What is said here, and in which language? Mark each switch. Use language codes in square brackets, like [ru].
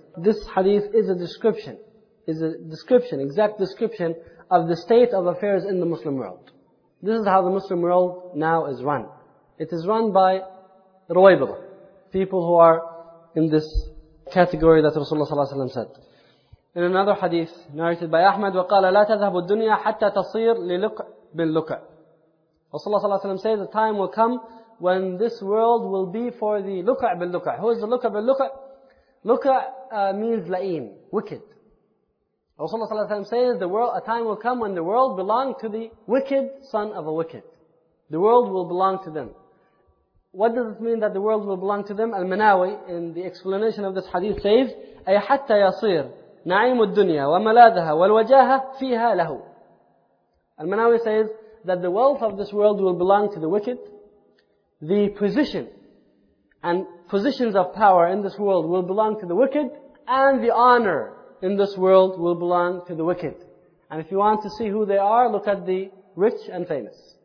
[en] This hadith is a description, exact description of the state of affairs in the Muslim world. This is how the Muslim world now is run. It is run by ruwaybidah, people who are in this category that Rasulullah ﷺ said. In another hadith narrated by Ahmad, [ar] وَقَالَ لَا تَذَهْبُ الدُّنْيَا حَتَّى تَصِيرْ لِلُقْعْ بِاللُّقْعِ. [en] Rasulullah ﷺ says, the time will come when this world will be for the luqa' bil-luqa'. Who is the luqa' bil-luqa'? Luqa' means la'im, wicked. Rasulullah ﷺ says, a time will come when the world belongs to the wicked son of a wicked. The world will belong to them. What does it mean that the world will belong to them? Al-Manawi, in the explanation of this hadith, says, [ar] أي حتى يصير نعيم الدنيا وملاذها والوجاهة فيها له. [en] Al-Manawi says that the wealth of this world will belong to the wicked. The position and positions of power in this world will belong to the wicked, and the honor in this world will belong to the wicked. And if you want to see who they are, look at the rich and famous.